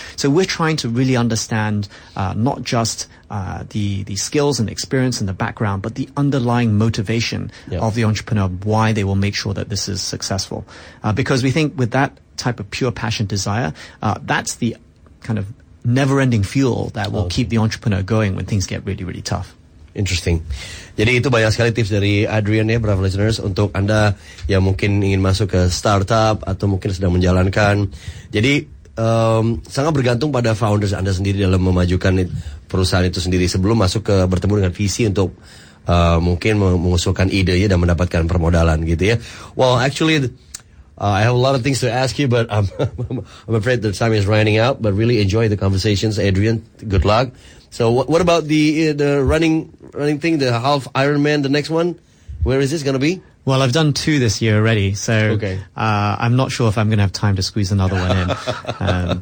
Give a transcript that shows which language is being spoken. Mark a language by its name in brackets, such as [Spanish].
[English] So we're trying to really understand not just the skills and experience and the background, but the underlying motivation of the entrepreneur, why they will make sure that this is successful. Because we think with that type of pure passion desire, that's the kind of never-ending fuel that will keep the entrepreneur going when things get really, really tough. Interesting. [Indonesian] Jadi itu banyak sekali tips dari Adrian ya, Brave Listeners, untuk Anda yang mungkin ingin masuk ke startup atau mungkin sedang menjalankan. Jadi sangat bergantung pada founders Anda sendiri dalam memajukan perusahaan itu sendiri sebelum masuk ke bertemu dengan VC untuk mungkin mengusulkan ide ya dan mendapatkan permodalan gitu ya. [English] Well, actually, I have a lot of things to ask you, but I'm afraid the time is running out. But really enjoy the conversations, Adrian. Good luck. So what about the running thing, the half Ironman, the next one? Where is this going to be? Well, I've done two this year already, so I'm not sure if I'm going to have time to squeeze another one in.